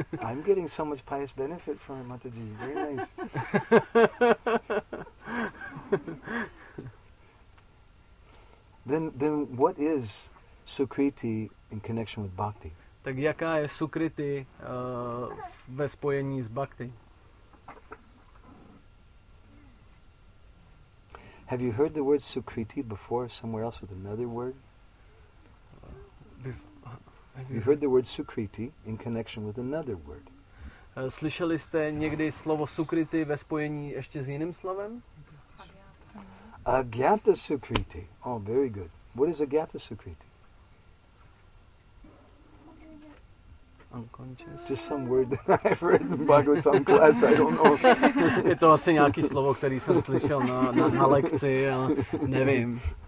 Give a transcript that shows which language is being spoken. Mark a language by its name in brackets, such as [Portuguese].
[English] I'm getting so much pious benefit from it, Mataji. Very nice. Then what is sukriti in connection with bhakti? [Czech] Tak jaká je sukriti ve spojení s bhakti? [English] Have you heard the word Sukriti before somewhere else with another word? You heard the word Sukriti in connection with another word. [Czech] Slyšeli jste někdy slovo Sukriti ve spojení ještě s jiným slovem? [English] Agyata Sukriti. Oh, very good. What is Agyata Sukriti? Unconscious. Just some word that I've heard in Bhagavatam class, I don't know. [Czech] Je to asi nějaký slovo, který jsem slyšel na lekci, ale nevím.